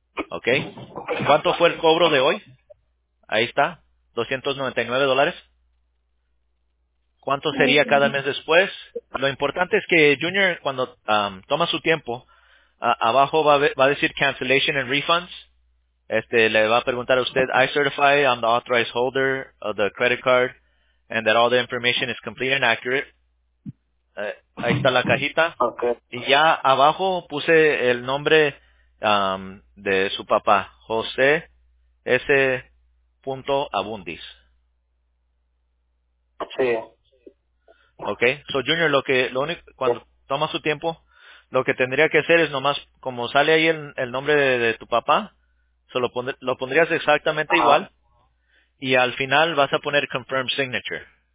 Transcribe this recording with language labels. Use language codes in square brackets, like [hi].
[es] Ok. ¿Cuánto fue el cobro de hoy? Ahí está, $299. ¿Cuánto sería cada mes después? Lo importante es que Junior, cuando toma su tiempo, abajo va a decir [en] cancellation and refunds. [es] Le va a preguntar a usted, [en] I certify I'm the authorized holder of the credit card and that all the information is complete and accurate. [es] Ahí está la cajita. [en] Okay. [es] Y ya abajo puse el nombre de su papá, José S. Abundis. Sí. Okay, so Junior, cuando toma su tiempo, lo que tendría que hacer es nomás, como sale ahí el nombre de tu papá, lo pondrías exactamente igual, y al final vas a poner [en] confirm signature.